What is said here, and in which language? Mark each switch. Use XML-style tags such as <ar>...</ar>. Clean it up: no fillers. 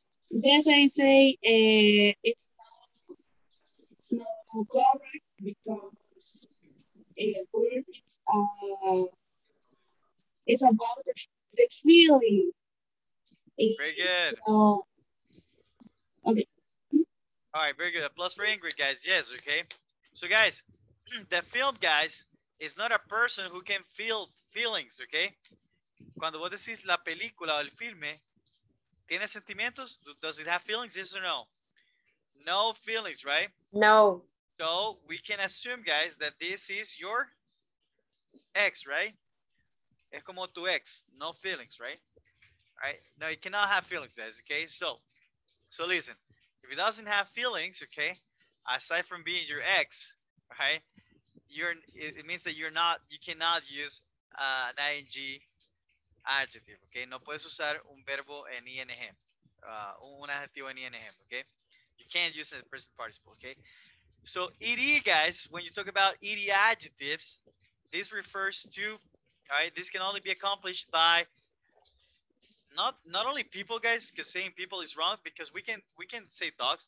<en>Yes, I say it's not correct because it's about the feeling. Very good. Okay. All right, very good. A plus for Ingrid, guys. Yes, okay. So, guys, the film, guys, is not a person who can feel feelings, okay?</en> <es>Cuando vos decís la película o el filme, ¿tiene sentimientos?</es> <en>Does it have feelings, yes or no? No feelings, right? No. So we can assume, guys, that this is your ex, right?</en> <es>Es como tu ex,</es> <en>no feelings, right? All right? No, it cannot have feelings, guys, okay? So listen, if it doesn't have feelings, okay, aside from being your ex, right? It means that you cannot use an ing adjective, okay?</en> <es>No puedes usar un verbo en ing, un adjetivo en ing, okay?</es> <en>You can't use it in the present participle, okay? So ed, guys, when you talk about ed adjectives, this refers to, all right, this can only be accomplished by not only people, guys, because saying people is wrong, because we can say dogs.</en>